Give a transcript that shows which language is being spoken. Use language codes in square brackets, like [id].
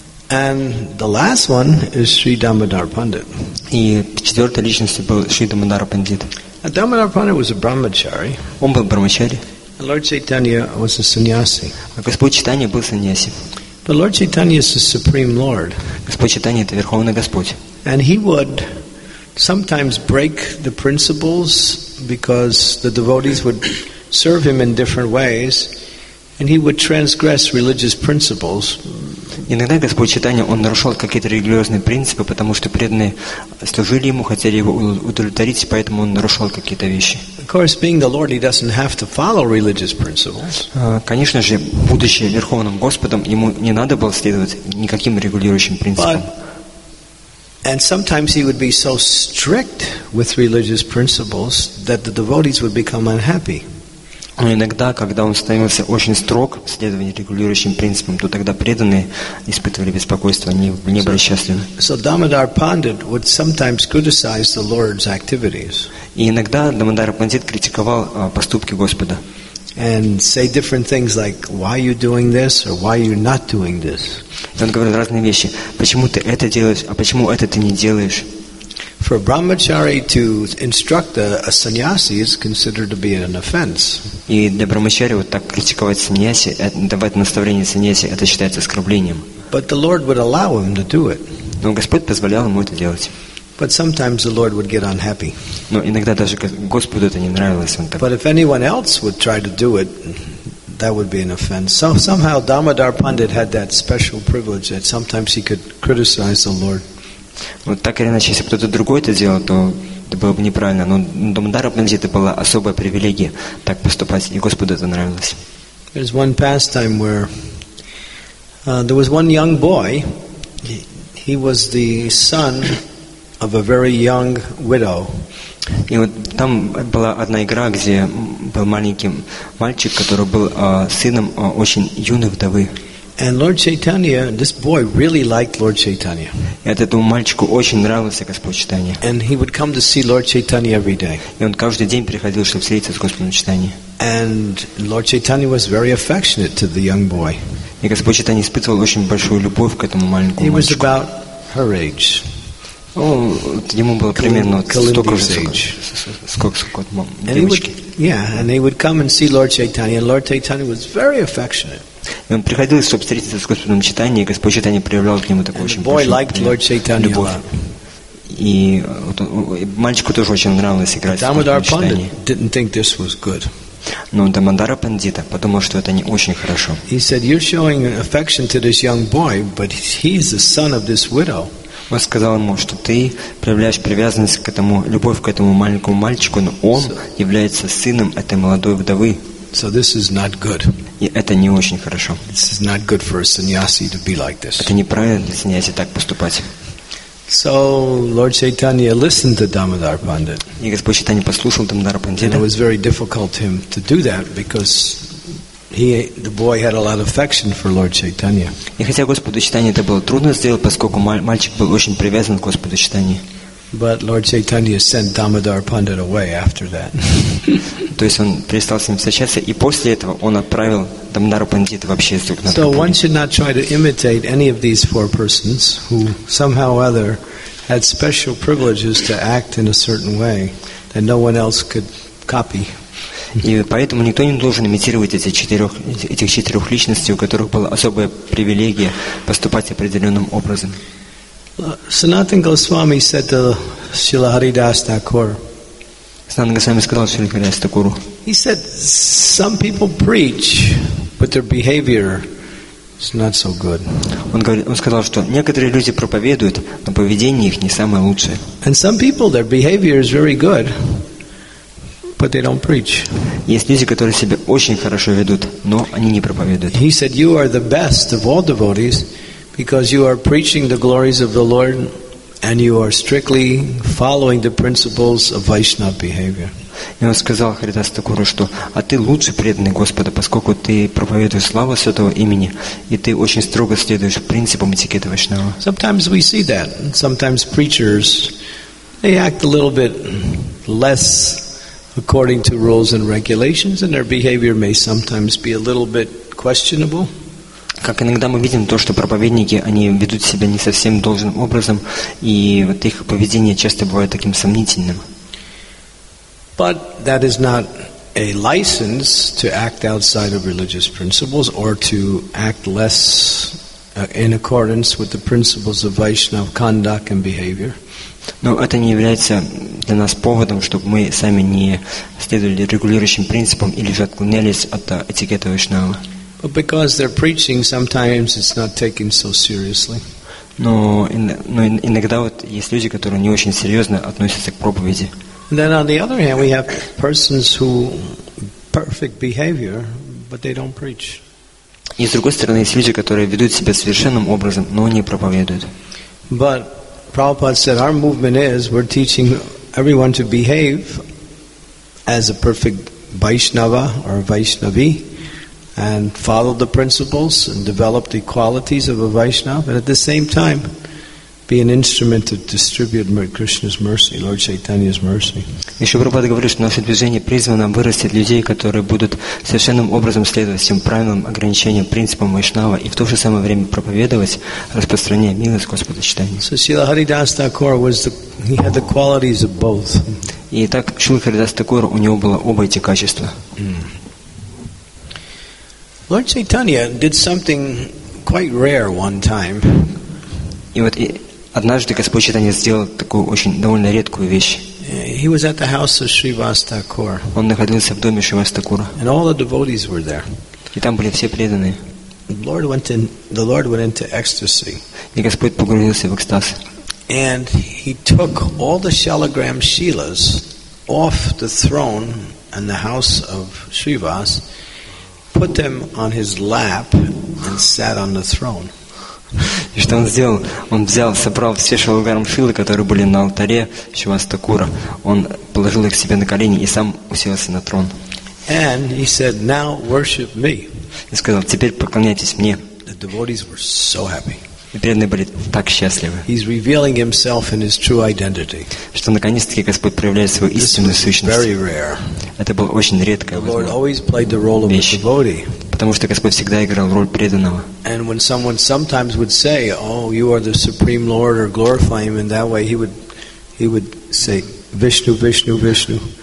[en] And the last one is Sri Damodar Pandit. [ru] И четвертой личностью был Шри Дамодар Пандит. [en] A Damodar Pandit was a brahmachari. [ru] Он был брахмачари. [en] And Lord Chaitanya was a sannyasi. [ru] А Господь Чайтанья был сannyasi. [en] But Lord Chaitanya is the supreme Lord. [ru] Господь Чайтанья это верховный Господь. [en] And he would sometimes break the principles because the devotees would serve him in different ways, and he would transgress religious principles. [ru] Иногда Господь Чайтанья он нарушал какие-то религиозные принципы, потому что преданные служили ему, хотели его удовлетворить, поэтому он нарушал какие-то вещи. [en] Of course, being the Lord, he doesn't have to follow religious principles. [ru] Конечно же, будучи верховным Господом, ему не надо было следовать никаким регулирующим принципам. [en] And sometimes he would be so strict with religious principles that the devotees would become unhappy. [ru] Но иногда, когда он становился очень строг в следовании регулирующим принципам, то тогда преданные испытывали беспокойство, они не были счастливы. [en] So Damodar Pandit would sometimes criticize the Lord's activities. [ru] И иногда Дамодара Пандит критиковал поступки Господа. [en] And say different things like, why are you doing this, or why are you not doing this? [ru] Он говорит разные вещи. Почему ты это делаешь, а почему это ты не делаешь? [en] For a brahmachari to instruct a sannyasi is considered to be an offense. [ru] И для брахмачари вот так критиковать сannyasi, давать наставление сannyasi, это считается оскорблением. [en] But the Lord would allow him to do it. [ru] Но Господь позволял ему это делать. [en] But sometimes the Lord would get unhappy. [ru] Но иногда даже Господу это не нравилось. [en] But if anyone else would try to do it, that would be an offense. So somehow Damodar Pandit had that special privilege that sometimes he could criticize the Lord. [ru] Вот так или иначе, если кто-то другой это делал, то это было бы неправильно. Но Дамодара Пандит это была особая привилегия так поступать, и Господу это нравилось. [en] There's one pastime where there was one young boy. He was the son of a very young widow. [ru] И вот там была одна игра, где был маленький мальчик, который был сыном очень юной вдовы. [en] And Lord Chaitanya, this boy really liked Lord Chaitanya. [ru] И этому мальчику очень нравился Господь Чайтанья. [en] And he would come to see Lord Chaitanya every day. [ru] И он каждый день приходил, чтобы встретиться с Господом Чайтанья. [en] And Lord Chaitanya was very affectionate to the young boy. [ru] И Господь Чайтанья испытывал очень большую любовь к этому маленькому мальчику. [en] He was about her age. [ru] Ему было примерно столько же, сколько девочки. [en] Yeah, and he would come and see Lord Chaitanya, and Lord Chaitanya was very affectionate. [ru] И он приходил, чтобы встретиться с Господом Чайтаньей, и Господь Чайтанья проявлял к нему такую очень большую любовь. И мальчику тоже очень нравилось играть с Господом Чайтаньей. Но Дамодара Пандита подумал, что это не очень хорошо. [en] He said, "You're showing affection to this young boy, but he's the son of this widow." [ru] Он сказал ему, что ты проявляешь привязанность к этому, любовь к этому маленькому мальчику, но он является сыном этой молодой вдовы. [en] So this is not good. [ru] И это не очень хорошо. [en] This is not good for a sannyasi to be like this. [ru] Это неправильно для сannyasi так поступать. [en] So Lord Chaitanya listened to Damodar Pandit. [ru] И Господь Чайтанья послушал Дамодара Пандита. [en] And it was very difficult to him to do that because the boy had a lot of affection for Lord Chaitanya. [ru] И хотя Господу Чайтанье это было трудно сделать, поскольку мальчик был очень привязан к Господу Чайтанье. [en] But Lord Chaitanya sent Damodar Pandit away after that. [ru] То есть он перестал с ним встречаться, и после этого он отправил Дамодара Пандита вообще из Дукнатхапури. [en] So one should not try to imitate any of these four persons who somehow or other had special privileges to act in a certain way that no one else could copy. [ru] И поэтому никто не должен имитировать этих четырех личностей, у которых была особая привилегия поступать определенным образом. [en] Sanatan Goswami said to Srila Haridas Thakur. He said, some people preach, but their behavior is not so good. [ru] Он сказал, что некоторые люди проповедуют, но поведение их не самое лучшее. [en] And some people, their behavior is very good, but they don't preach. [ru] Есть люди, которые себя очень хорошо ведут, но они не проповедуют. [en] He said, you are the best of all devotees because you are preaching the glories of the Lord. And you are strictly following the principles of Vaishnava behavior. [ru] И он сказал Харидас Такуру, что а ты лучший преданный Господа, поскольку ты проповедуешь славу Святого имени, и ты очень строго следуешь принципам этикета Вайшнава. [en] Sometimes we see that. Sometimes preachers, they act a little bit less according to rules and regulations, and their behavior may sometimes be a little bit questionable. [ru] Как иногда мы видим то, что проповедники, они ведут себя не совсем должным образом, и вот их поведение часто бывает таким сомнительным. [en] But that is not a license to act outside of religious principles or to act less in accordance with the principles of Vaishnav conduct and behavior. [ru] Но это не является для нас поводом, чтобы мы сами не следовали регулирующим принципам или же отклонялись от этикета Вайшнава. [en] But because they're preaching, sometimes it's not taken so seriously. [ru] Но иногда вот есть люди, которые не очень серьезно относятся к проповеди. [en] Then on the other hand, we have persons who perfect behavior, but they don't preach. [ru] И с другой стороны, есть люди, которые ведут себя совершенным образом, но не проповедуют. [en] But Prabhupada said, our movement is we're teaching everyone to behave as a perfect Vaishnava or Vaishnavi. And follow the principles and develop the qualities of a Vaishnava, and at the same time, be an instrument to distribute Krishna's mercy, Lord Chaitanya's mercy. [ru] Еще Прабхупада говорит, что наше движение призвано вырастить людей, которые будут совершенным образом следовать всем правилам, ограничениям, принципам Вайшнава, и в то же самое время проповедовать, распространяя милость Господа Чайтанья. [en] So Srila Haridas Thakur had the qualities of both. [ru] И так Шрила Харидас Такур, у него было оба эти качества. [en] Lord Chaitanya did something quite rare one time. [ru] И вот однажды Господь Чайтанья сделал такую очень довольно редкую вещь. [en] He was at the house of Srivas Thakur. [ru] Он находился в доме Шривас Такура. [en] And all the devotees were there. [ru] И там были все преданные. [en] The Lord went into ecstasy. [ru] И Господь погрузился в экстаз. [en] And he took all the shalagram shilas off the throne and the house of Srivas. Put them on his lap and sat on the throne. [ru] И что он сделал? Он взял, собрал все шалгарам шилы, которые были на алтаре Шивас Такура. Он положил их себе на колени и сам уселся на трон. [en] And he said, "Now worship me." [ru] И сказал: "Теперь поклоняйтесь мне." [en] The devotees were so happy. [ru] И преданные были так счастливы. [en] He's revealing himself in his true identity. [ru] Что наконец-таки Господь проявляет свою истинную сущность. [en] Very rare. [ru] Это было очень редкое. [en] The Lord always played the role of a devotee. [ru] Потому что Господь всегда играл роль преданного. [en] And when someone sometimes would say, "Oh, you are the supreme Lord," or glorify Him in that way, he would say, "Vishnu, Vishnu, Vishnu."